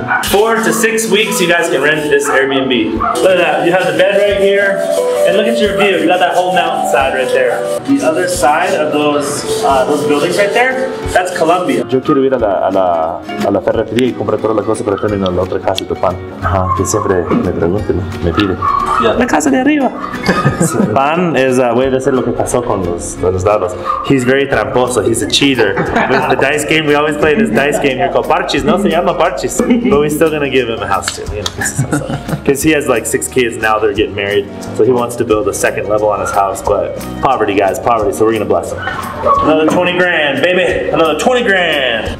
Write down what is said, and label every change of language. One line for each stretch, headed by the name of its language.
English: Four to 6 weeks, you guys can rent this Airbnb. Look at that, you have the bed right here, and look at your view. You got that whole mountainside right there. The other side of those buildings right there, that's Colombia.
Spanish: Yo quiero ir a la ferretería y comprar todas las cosas para tener la otra casa y tu pan. Ajá, que siempre me pregunten, me piden. La casa de arriba. Pan es, voy a decir lo que pasó con los dados.
English: He's very tramposo, he's a cheater. With the dice game, we always play this dice game here called Parches,
Spanish: no se llama Parches.
English: But we're still gonna give him a house too, you know, because he has like 6 kids now, they're getting married. So he wants to build a second level on his house, but poverty, guys, poverty. So we're gonna bless him. Another 20 grand, baby, another 20 grand.